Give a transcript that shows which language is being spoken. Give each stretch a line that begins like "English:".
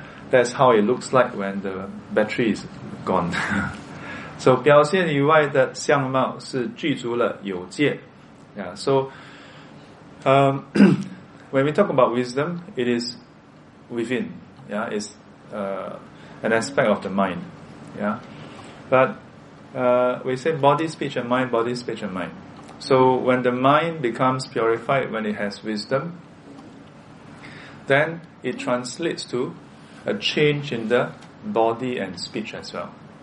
English: that's how it looks like when the battery is gone.
Chinese: So 表现以外的相貌是具足了有戒。
English: when we talk about wisdom, it is within. It's an aspect of the mind. But we say body, speech and mind, body, speech and mind. So when the mind becomes purified, when it has wisdom, then it translates to a change in the body and speech as well.